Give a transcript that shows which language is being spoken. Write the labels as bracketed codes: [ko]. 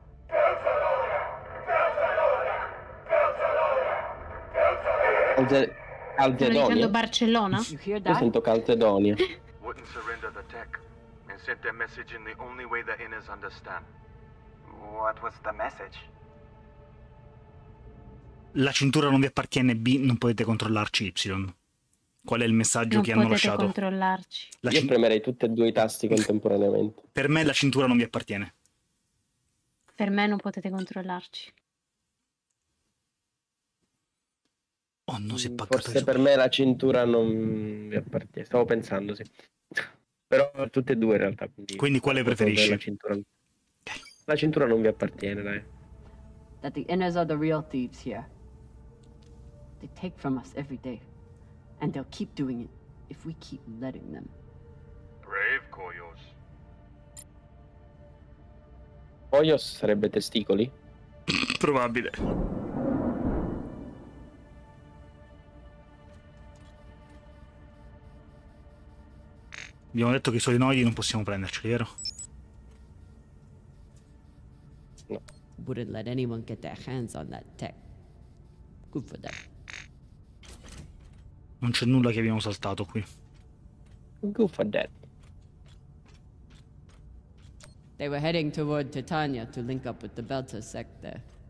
[it] Beltalada! Beltalada! Beltalada! Beltalada! Caldedonia. Barcellona? Io sento Caldedonia. [en] Wouldn't surrender the tech. Sent their message in the only way the Inners understand. What was the message? [it] La cintura non vi appartiene, B, non potete controllarci, Y. Qual è il messaggio non che hanno lasciato? Non potete controllarci. Io premerei tutti e due i tasti contemporaneamente. Per me la cintura non vi appartiene. Per me non potete controllarci. Oh no, si è paccato. Forse per me la cintura non vi appartiene. Stavo pensando, sì. Però tutte e due in realtà. Quindi quale preferisci? La cintura non vi appartiene, dai. [en] That the Inners are the real thieves here. They take from us every day. And they'll keep doing it if we keep letting them. Brave Koyos. [it] Koyos sarebbe testicoli? Probabile. Abbiamo detto che i solenoidi non possiamo prenderceli, vero? No. [en] Wouldn't let anyone get their hands on that tech. Good for them. [it] Non c'è nulla che abbiamo saltato qui. [en] Good for that. They were heading toward Titania to link up with the Belta sect there.